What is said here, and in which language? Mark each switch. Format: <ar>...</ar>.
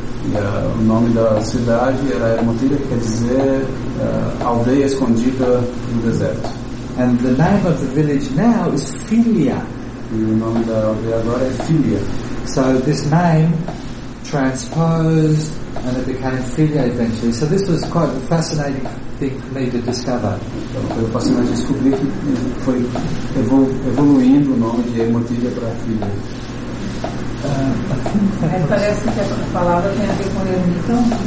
<pt>O nome da cidade era Ermotilha, quer dizer aldeia escondida no deserto.</pt> <en>And the name of the village now is Filia.</en> <pt>E o nome da aldeia agora é Filia.</pt> <en>So this name transposed and it became Filia eventually. So this was quite a fascinating thing for me to discover.</en> <pt>Eu passei a descobrir que foi evoluindo o nome de Ermotilha para Filia. Parece que a palavra tem a ver com ermitão,</pt>